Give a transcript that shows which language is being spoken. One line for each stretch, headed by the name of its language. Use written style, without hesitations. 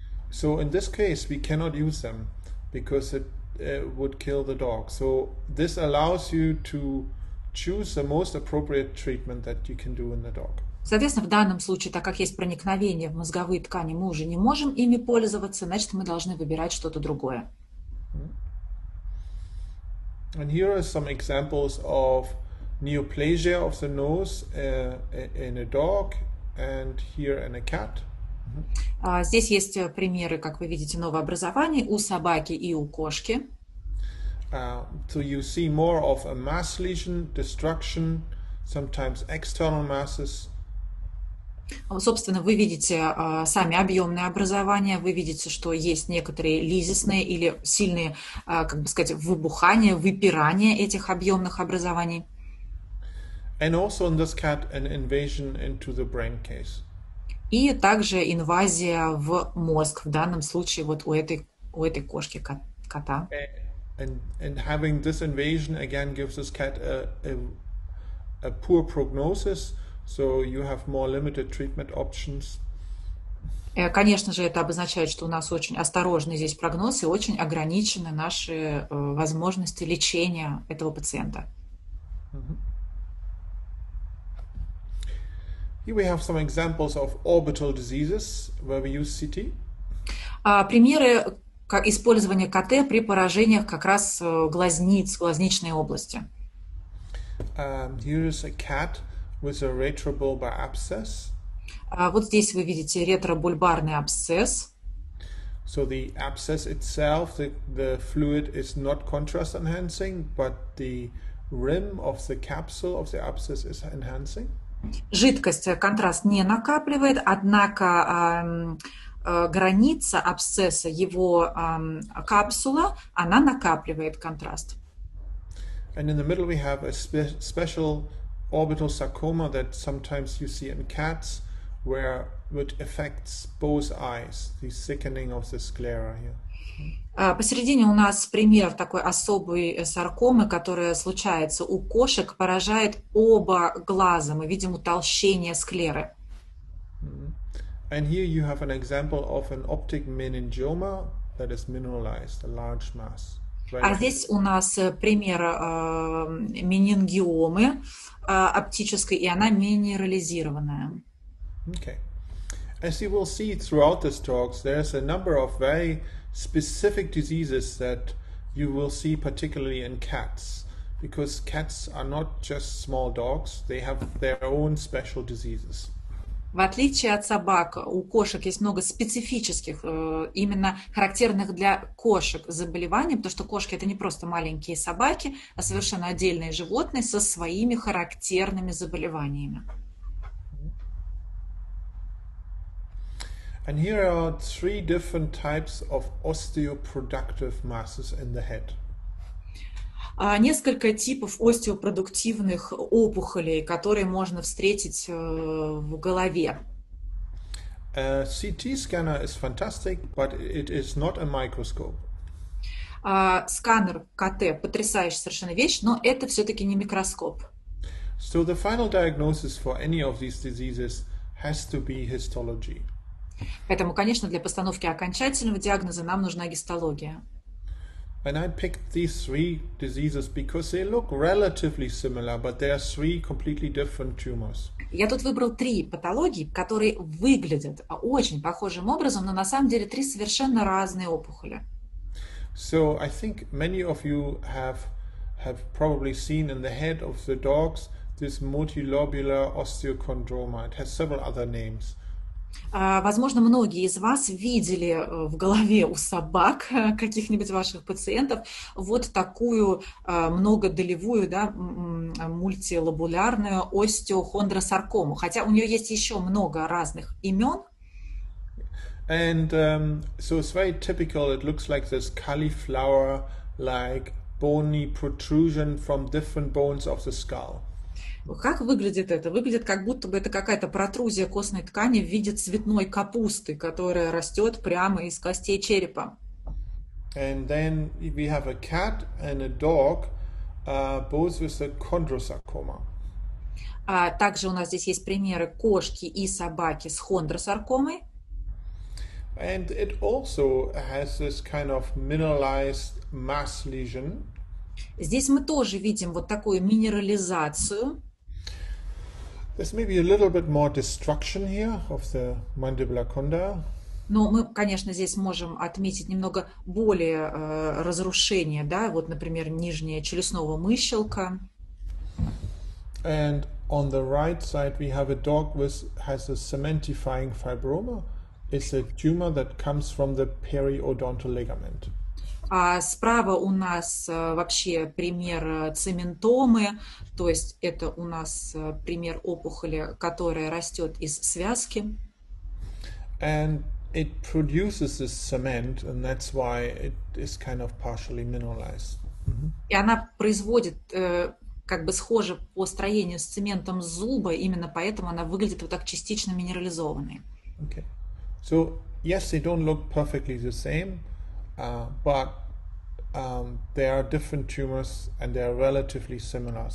English: So in this case we cannot use them because it would kill the dog. So this allows you to choose the most appropriate treatment that you can do in the dog.
Russian: Соответственно, в данном случае, так как есть проникновение в мозговые ткани, мы уже не можем ими пользоваться, значит, мы должны выбирать что-то другое.
English: And here are some examples of neoplasia of the nose in a dog and here in a cat.
Russian: Здесь есть примеры, как вы видите, новообразований у собаки и у кошки.
English: So you see more of a mass lesion destruction, sometimes external masses.
Russian: Собственно, вы видите сами объемные образования, вы видите, что есть некоторые лизисные или сильные, как бы сказать, выбухания, выпирания этих объемных образований.
English: And also in this cat, an invasion into the brain case.
Russian: И также инвазия в мозг, в данном случае вот у этой кошки, кота.
English: And having this invasion again gives this cat a poor prognosis. So you have more limited treatment options.
Russian: Конечно же, это обозначает, что у нас очень осторожный здесь прогноз и очень ограничены наши возможности лечения этого пациента.
English: Here we have some examples of orbital diseases where we use CT.
Russian: Примеры использования КТ при поражениях как раз глазниц, глазничной области.
English: Here is a cat with a retrobulbar abscess.
Russian: Вот здесь вы видите ретробульбарный абсцесс.
English: So the abscess itself, the fluid is not contrast enhancing, but the rim of the capsule of the abscess is enhancing.
Russian: Жидкость, контраст не накапливает, однако граница абсцесса, его капсула, она накапливает контраст.
English: And in the middle we have a special orbital sarcoma that sometimes you see in cats, which affects both eyes, the thickening of the sclera here.
Russian: Посередине у нас пример такой особой саркомы, которая случается у кошек, поражает оба глаза. Мы видим утолщение склеры.
English: And here you have an example of an optic meningioma that is mineralized, a large mass. Right.
Russian: А здесь у нас пример менингиомы оптической, и она минерализированная.
English: Okay. As you will see throughout this talk, there's a number of very specific diseases that you will see particularly in cats, because cats are not just small dogs, they have their own special diseases.
Russian: В отличие от собак, у кошек есть много специфических, именно характерных для кошек заболеваний, потому что кошки — это не просто маленькие собаки, а совершенно отдельные животные со своими характерными заболеваниями.
English: And here are three different types of osteoproductive masses in the head.
Russian: Несколько типов остеопродуктивных опухолей, которые можно встретить в голове.
English: A CT scanner is fantastic, but it is not a microscope.
Russian: Сканер КТ – потрясающая совершенно вещь, но это все-таки не микроскоп.
English: So the final diagnosis for any of these diseases has to be histology.
Russian: Поэтому, конечно, для постановки окончательного диагноза нам нужна гистология.
English: And I picked these three diseases because they look relatively similar, but they are three completely different tumors.
Russian: Я тут выбрал три патологии, которые выглядят очень похожим образом, но на самом деле три совершенно разные опухоли.
English: So I think many of you have probably seen in the head of the dogs this multilobular osteochondroma. It has several other names.
Russian: Возможно, многие из вас видели в голове у собак каких-нибудь ваших пациентов вот такую многодолевую, да, мультилобулярную остеохондросаркому, хотя у нее есть еще много разных имен.
English: And so it's very typical. It looks like this cauliflower-like bony protrusion from different bones of the skull.
Russian: Как выглядит это? Выглядит, как будто бы это какая-то протрузия костной ткани в виде цветной капусты, которая растет прямо из костей черепа.
English: And then we have a cat and a dog, both with a chondrosarcoma.
Russian: Также у нас здесь есть примеры кошки и собаки с хондросаркомой.
English: And it also has this kind of mineralized mass lesion.
Russian: Здесь мы тоже видим вот такую минерализацию.
English: There's maybe a little bit more destruction here of the mandibular condyle.
Russian: Но мы, конечно, здесь можем отметить немного более разрушения, да, вот, например, нижняя челюстного мыщелка.
English: And on the right side we have a dog with has a cementifying fibroma. It's a tumor that comes from the periodontal ligament.
Russian: А справа у нас вообще пример цементомы, то есть это у нас пример опухоли, которая растет из связки.
English: And it produces this cement, and that's why it is kind of partially mineralized.
Russian: И она производит как бы схоже по строению с цементом зуба, именно поэтому она выглядит вот так частично минерализованной.
English: Okay. So, yes, they don't look perfectly the same, but they are different tumors and they are relatively similar.